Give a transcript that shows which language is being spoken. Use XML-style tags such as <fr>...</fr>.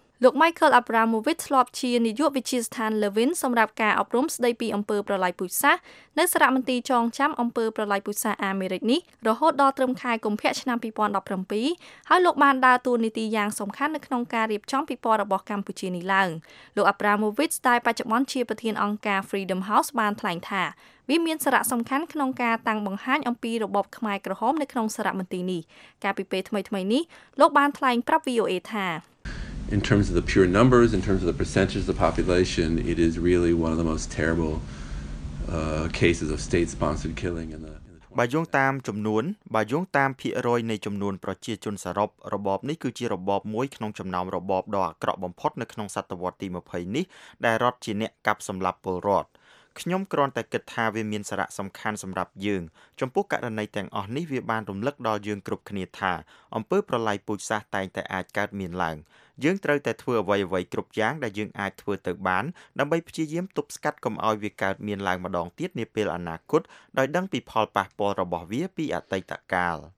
<km>លោក Michael Abramovich ធ្លាប់ជានាយកវិទ្យាស្ថាន Levin សម្រាប់ការអប់រំស្ដីពីអំពើប្រល័យពូជសាសន៍នៅសារមន្ទីរចងចាំអំពើប្រល័យពូជសាសន៍អាមេរិកនេះរហូតដល់ត្រឹមខែកុម្ភៈឆ្នាំ2017ហើយលោកបានដើរតួនាទីយ៉ាងសំខាន់នៅក្នុងការរៀបចំពិព័រណ៍របស់កម្ពុជានេះឡើងលោក Abramovich ដែលបច្ចុប្បន្នជាប្រធានអង្គការ Freedom House បានថ្លែងថាវាមានសារៈសំខាន់ក្នុងការតាំងបង្ហាញអំពីរបបខ្មែរក្រហមនៅក្នុងសារមន្ទីរនេះកាលពីពេលថ្មីៗនេះលោកបានថ្លែងប្រាប់ VOA ថា</km> <en>In terms of the pure numbers, in terms of the percentage of the population, it is really one of the most terrible cases of state-sponsored killing in the.</en> <km>បើយោងតាមចំនួនបើយោងតាមភាគរយនៃចំនួនប្រជាជនសរុបរបបនេះគឺជារបបមួយក្នុងចំណោមរបបដ៏អាក្រក់បំផុតនៅក្នុងសតវត្សទី20នេះដែលរដ្ឋជាអ្នកកាប់សម្លាប់ពលរដ្ឋ ខ្ញុំគ្រាន់តែគិតថាវាមានសារៈសំខាន់សម្រាប់យើងចំពោះករណីទាំងអស់នេះវាបានរំលឹកដល់យើងគ្រប់គ្នាថាអំពើប្រល័យពូជសាសន៍តែងតែអាចកើតមានឡើងយើងត្រូវតែធ្វើអ្វីៗគ្រប់យ៉ាងដែលយើងអាចធ្វើទៅបានដើម្បីព្យាយាមទប់ស្កាត់កុំឲ្យវាកើតមានឡើងម្ដងទៀតនាពេលអនាគតដោយដឹងពីផលប៉ះពាល់របស់វាពីអតីតកាល</km>